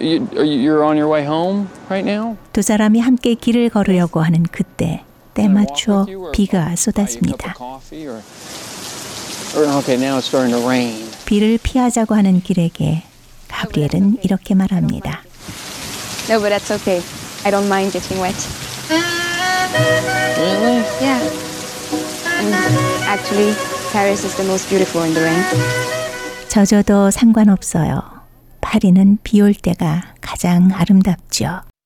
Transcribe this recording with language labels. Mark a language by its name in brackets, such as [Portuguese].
[English] You're on your way home right now? [Korean] 두 사람이 함께 길을 걸으려고 하는 그때 때마침 비가 쏟아집니다. [English] Okay, now it's starting to rain. [Korean] 비를 피하자고 하는 길에게 가브리엘은 이렇게 말합니다. [English] No, but that's okay. I don't mind getting wet. Really? Yeah. Actually, Paris is the most beautiful in the rain. [Korean] 젖어도 상관없어요. 파리는 비 올 때가 가장 아름답죠.